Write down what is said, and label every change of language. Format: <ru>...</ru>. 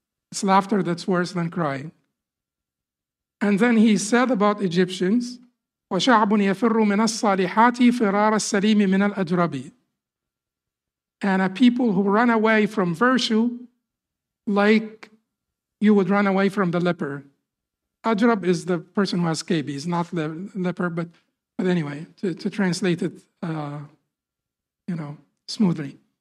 <en>It's laughter that's worse than crying. And then he said about Egyptians,</en> <ar>وَشَعْبٌ يَفِرُّ مِنَ الصَّالِحَاتِ فِرَارَ السَّلِيمِ مِنَ الْأَجْرَبِ.</ar> <en>And a people who run away from virtue like you would run away from the leper. Ajrab is the person who has scabies, not the leper, but anyway, to translate it, you know, smoothly.</en>